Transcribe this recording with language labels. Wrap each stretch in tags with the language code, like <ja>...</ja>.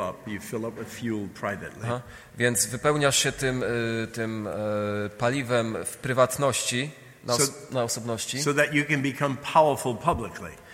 <en>up, you fill up with fuel privately.</en> <pl>Więc wypełniasz się tym paliwem w prywatności, na osobności.</pl> <en>So that you can become powerful publicly.</en>